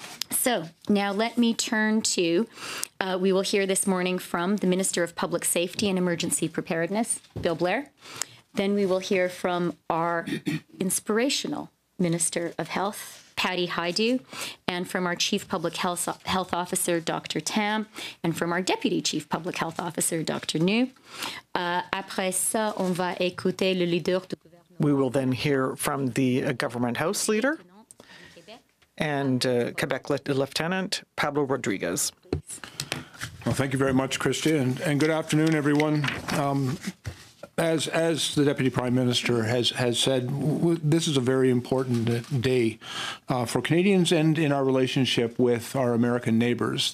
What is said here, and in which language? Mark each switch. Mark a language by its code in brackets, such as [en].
[en] So now let me turn to, we will hear this morning from the Minister of Public Safety and Emergency Preparedness, Bill Blair. Then we will hear from our inspirational Minister of Health, Patty Hajdu, and from our Chief Public Health Officer, Dr. Tam, and from our Deputy Chief Public Health Officer, Dr. Nu. [fr] Après ça, on va écouter le leader du gouvernement. [en] We will then hear from the Government House Leader and Quebec Lieutenant Pablo Rodriguez. Well, thank you very much, Christian, and good afternoon, everyone. As the Deputy Prime Minister has said, this is a very important day for Canadians and in our relationship with our American neighbours.